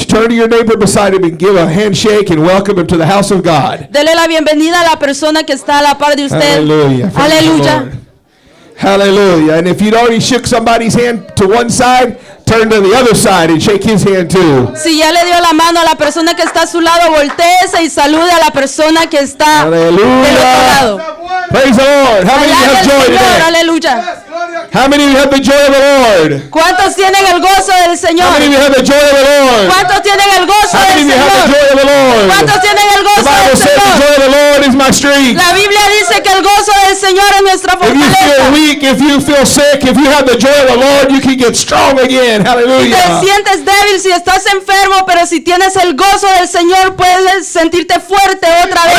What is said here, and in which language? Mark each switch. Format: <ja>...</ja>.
<en>turn to your neighbor beside him and give a handshake and welcome him to the house of God.</en> <es>Dele la bienvenida a la persona que está a la par de usted.</es> <en>Hallelujah. Hallelujah. Hallelujah. And if you'd already shook somebody's hand to one side, turn to the other side and shake his hand too. Si ya le dio la mano a la persona que está a su lado, volteese y salude a la persona que está del otro lado. Praise the Lord. How many have joy today? Hallelujah. How many of you have the joy of the Lord?</en> <es>¿Cuántos tienen el gozo del Señor?</es> <en>How many of you have the joy of the Lord?</en> <es>¿Cuántos tienen el gozo del Señor?</es> <en>How many of you have the joy of the Lord?</en> <es>¿Cuántos tienen el gozo del Señor?</es> <en>The Bible says the joy of the Lord is my strength.</en> <es>La Biblia dice que el gozo del Señor es nuestra fortaleza.</es> <en>If you feel weak, if you feel sick, if you have the joy of the Lord, you can get strong again. Hallelujah.</en> <es>Si te sientes débil, si estás enfermo, pero si tienes el gozo del Señor, puedes sentirte fuerte otra vez.</es>